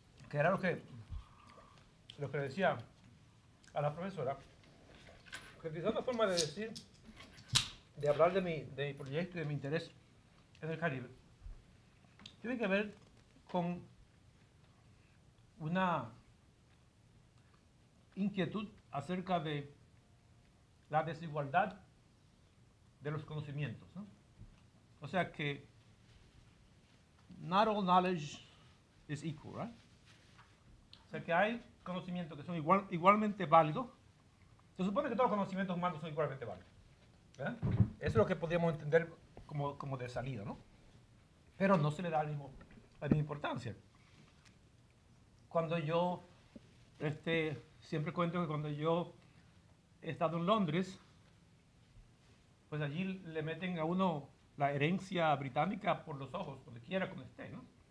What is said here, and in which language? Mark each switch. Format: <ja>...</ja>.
<es>Que era lo que decía a la profesora, que quizás una forma de decir, de hablar de mi proyecto y de mi interés en el Caribe, tiene que ver con una inquietud acerca de la desigualdad de los conocimientos, ¿no? O sea que</es> <en>not all knowledge is equal, right?</en> <es>O sea que hay conocimientos que son igualmente válidos. Se supone que todos los conocimientos humanos son igualmente válidos, ¿verdad? Eso es lo que podríamos entender como de salida, ¿no? Pero no se le da la misma importancia. Cuando yo, siempre cuento que cuando yo he estado en Londres, pues allí le meten a uno la herencia británica por los ojos, donde quiera que esté, ¿no?</es>